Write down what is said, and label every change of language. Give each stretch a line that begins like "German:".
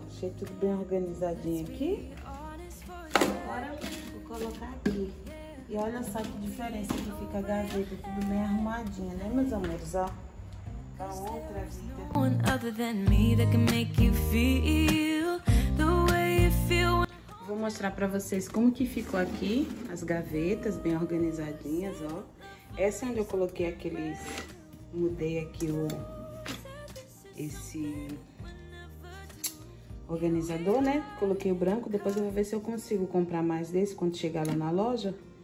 Portuguese: Achei tudo bem organizadinho aqui. Agora eu vou colocar aqui. E olha só que diferença que fica a gaveta, tudo bem arrumadinha, né, meus amores, ó. Pra outra vida.
English: One other than me that can make you feel the way you feel.
Portuguese: Vou mostrar pra vocês como que ficou aqui as gavetas, bem organizadinhas, ó. Essa é onde eu coloquei aqueles... Mudei aqui o... Esse... organizador, né? Coloquei o branco. Depois eu vou ver se eu consigo comprar mais desse quando chegar lá na loja.